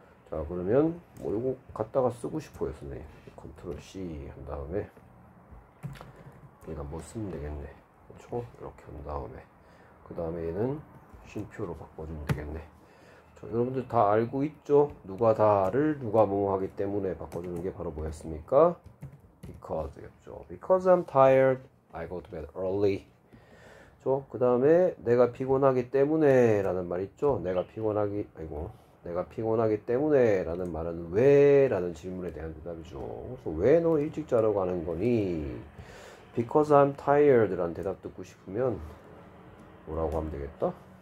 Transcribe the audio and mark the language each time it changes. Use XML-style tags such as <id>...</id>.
<ko>자, 그러면 뭐 요거 갖다가 쓰고 싶어요. 선생님. 컨트롤 C 한 다음에 얘가 뭐 쓰면 되겠네. 그렇죠? 이렇게 한 다음에 그 다음에 얘는 쉼표로 바꿔주면 되겠네. 저 여러분들 다 알고 있죠? 누가 다를 누가 뭐 하기 때문에 바꿔주는 게 바로 뭐였습니까? Because였죠.</ko> <en>Because I'm tired, I go to bed early.</en> <ko>그렇죠? 그 다음에 내가 피곤하기 때문에라는 말 있죠? 내가 피곤하기 아이고 내가 피곤하기 때문에라는 말은 왜라는 질문에 대한 대답이죠. 그래서 왜너 일찍 자러 가는 거니?</ko> <en>Because I'm tired</en> <ko>라는 대답 듣고 싶으면 뭐라고 하면 되겠다?</ko>